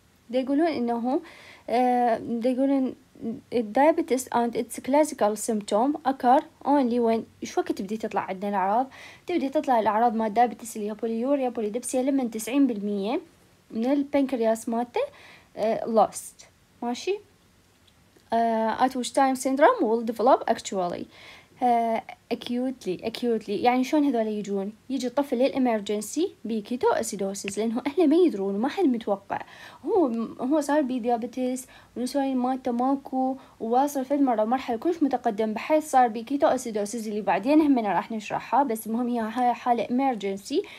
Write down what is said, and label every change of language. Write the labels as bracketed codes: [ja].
[ar] يقولون إنه يقولون [en] diabetes and its classical symptom occur only when [ar] شو وقت تبدي تطلع عندنا الأعراض؟ تبدي تطلع الأعراض مال diabetes اللي هي بوليوريا بوليدبسيا لما 90% من البنكرياس مالته lost. ماشي. [en] At which time syndrome will develop actually acutely. [ar] يعني شون هذول يجون؟ يجي الطفل للإمرجنسي بكيتو أسيدوسيس، لأنه أهله ما يدرون وما حد متوقع، هو صار بي ديابتس ونسوين مات ماكو، وواصل في المرة مرحلة كلش متقدم بحيث صار بكيتو أسيدوسيس اللي بعدين همنا راح نشرحها، بس المهم هي هاي حالة إمرجنسي.